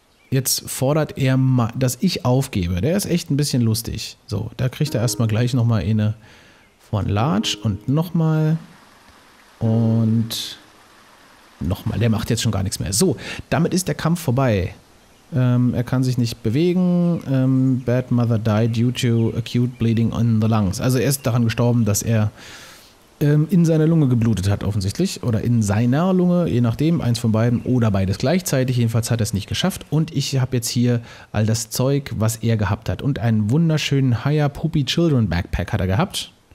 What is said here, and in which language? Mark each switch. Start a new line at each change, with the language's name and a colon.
German: Jetzt fordert er, dass ich aufgebe. Der ist echt ein bisschen lustig. So, da kriegt er erstmal gleich nochmal eine von Large. Und nochmal. Und nochmal. Der macht jetzt schon gar nichts mehr. So, damit ist der Kampf vorbei. Er kann sich nicht bewegen.
English: Bad mother died due to acute bleeding in the lungs.
German: Also er ist daran gestorben, dass er in seiner Lunge geblutet hat offensichtlich. Oder in seiner Lunge, je nachdem. Eins von beiden oder beides gleichzeitig. Jedenfalls hat er es nicht geschafft. Und ich habe jetzt hier all das Zeug, was er gehabt hat. Und einen wunderschönen Haya Puppy Children Backpack hat er gehabt.